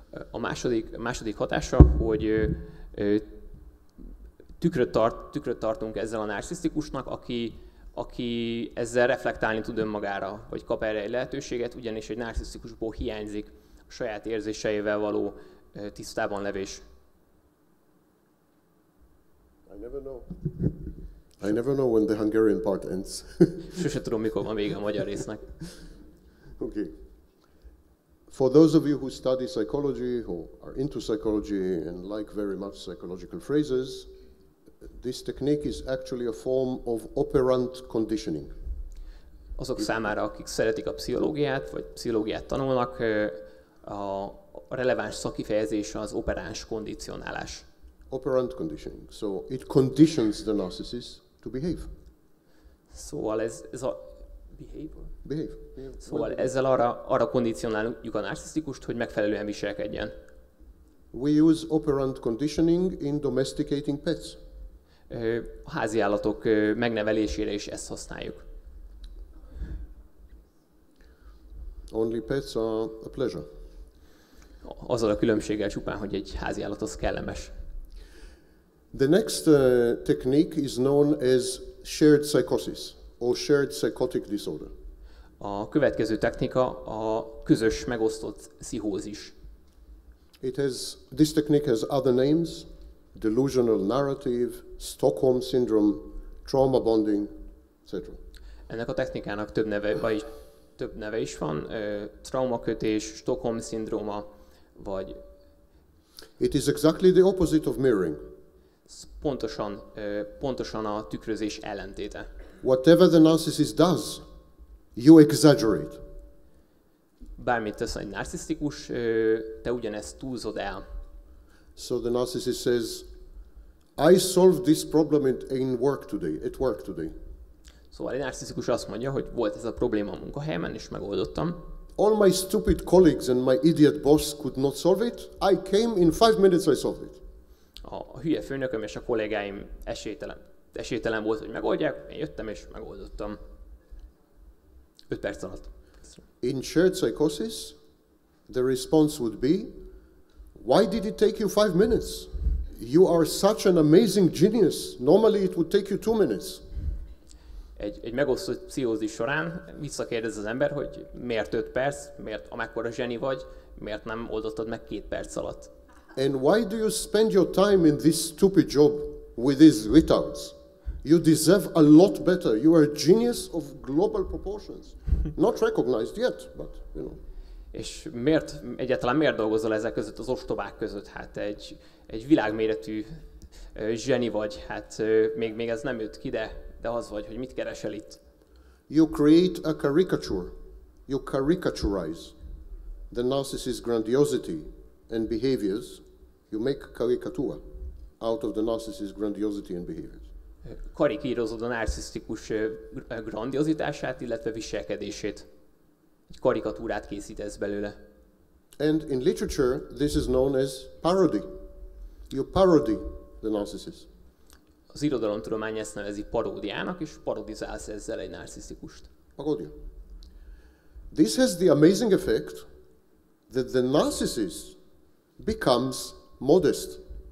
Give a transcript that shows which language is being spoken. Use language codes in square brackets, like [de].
[hu] A második hatása, hogy tükröt tartunk ezzel a narcisztikusnak, aki ezzel reflektálni tud önmagára, vagy kap erre egy lehetőséget, ugyanis egy narcisztikusból hiányzik a saját érzéseivel való tisztában levés. [en] I never know when the Hungarian part ends. [hu] Sose tudom, mikor van vége a magyar résznek. [en] Okay. For those of you who study psychology, who are into psychology and like very much psychological phrases, this technique is actually a form of operant conditioning. [hu] Azok számára, akik szeretik a pszichológiát, vagy pszichológiát tanulnak, a releváns szakifejezés az operáns kondicionálás. [en] Operant conditioning. So it conditions the narcissist to behave. [hu] Szóval ez a behavior. [en] Behave. [hu] Szóval ezzel arra kondicionáljuk a narcisztikust, hogy megfelelően viselkedjen. [en] We use operant conditioning in domesticating pets. [hu] A házi állatok megnevelésére is ezt használjuk. [en] Only pets are a pleasure. [hu] Azzal a különbséggel csupán, hogy egy házi állat az kellemes. [en] The next technique is known as shared psychosis or shared psychotic disorder. [hu] A következő technika a közös megosztott pszichózis. [en] This technique has other names: delusional narrative, Stockholm syndrome, trauma bonding, etc. [hu] Ennek a technikának több neve is van: traumakötés, Stockholm szindróma, vagy. [en] It is exactly the opposite of mirroring. [hu] Pontosan a tükrözés ellentéte. [en] Whatever the narcissist does, you exaggerate. [hu] Bármit tesz egy narcisztikus, te ugyanezt túlzod el. [en] So the narcissist says, I solved this problem at work today. [hu] Szóval egy narcisztikus azt mondja, hogy volt ez a probléma a munkahelyemen, és megoldottam. [en] All my stupid colleagues and my idiot boss could not solve it. I came in 5 minutes, I solved it. [hu] A hülye főnököm és a kollégáim esélytelen volt, hogy megoldják, én jöttem és megoldottam. 5 perc alatt. [en] In shared psychosis, the response would be, why did it take you 5 minutes? You are such an amazing genius. Normally it would take you 2 minutes. [hu] Egy megosztott pszichózis során visszakérdez az ember, hogy miért 5 perc, miért amekkora zseni vagy, miért nem oldottad meg 2 perc alatt. [en] And why do you spend your time in this stupid job with these retards? You deserve a lot better. You are a genius of global proportions. Not recognized yet, but you know. [hu] És miért dolgozol ezek között, az ostobák között? Hát egy világméretű zseni vagy. Hát még ez nem jött ki, de az vagy, hogy mit keresel itt? [en] You create a caricature. You caricaturize the narcissist's grandiosity and behaviors. You make caricature out of the narcissist's grandiosity and behaviors. [hu] Karikírozod a narcisztikus grandiozitását, illetve viselkedését. Egy karikatúrát készítesz belőle. [en] And in literature, this is known as parody. You parody the narcissist. [hu] Az irodalomtudomány ezt nevezi paródiának, és parodizálsz ezzel egy narcisztikust. Parodia. [en] This has the amazing effect that the narcissist becomes modest.